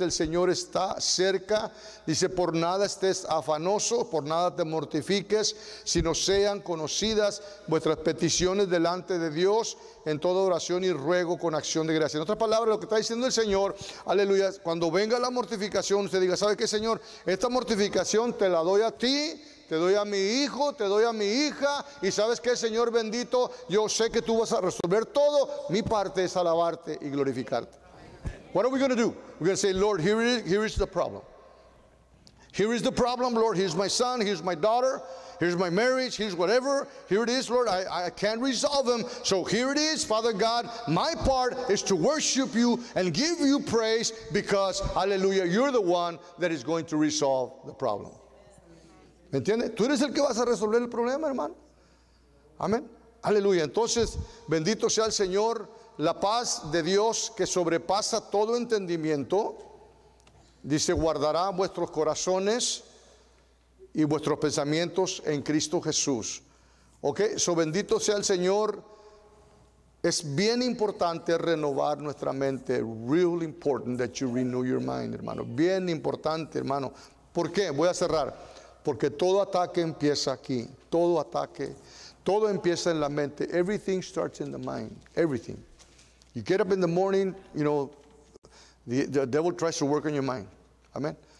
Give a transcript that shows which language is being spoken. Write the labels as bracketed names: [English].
[Spanish] El Señor está cerca. Dice, por nada estés afanoso, por nada te mortifiques, sino sean conocidas vuestras peticiones delante de Dios en toda oración y ruego con acción de gracia. En otras palabras, lo que está diciendo el Señor, aleluya, cuando venga la mortificación, usted diga, ¿sabe qué, Señor? Esta mortificación te la doy a ti. Te doy a mi hijo, te doy a mi hija, y ¿sabes qué, Señor bendito? Yo sé que tú vas a resolver todo. Mi parte es alabarte y glorificarte. [English] What are we going to do? We're going to say, Lord, here is the problem. Here is the problem, Lord. Here's my son, here's my daughter, here's my marriage, here's whatever. Here it is, Lord. I can't resolve them. So here it is, Father God. My part is to worship you and give you praise because, hallelujah, you're the one that is going to resolve the problem. [Spanish] ¿Me entiendes? Tú eres el que vas a resolver el problema, hermano. Amén. Aleluya. Entonces, bendito sea el Señor, la paz de Dios que sobrepasa todo entendimiento, dice, guardará vuestros corazones y vuestros pensamientos en Cristo Jesús. ¿Ok? So, bendito sea el Señor, es bien importante renovar nuestra mente. [English] Really important that you renew your mind, hermano. [Spanish] Bien importante, hermano. ¿Por qué? Voy a cerrar. Porque todo ataque empieza aquí. Todo ataque. Todo empieza en la mente. [English] Everything starts in the mind. Everything. You get up in the morning, you know, the devil tries to work on your mind. Amen.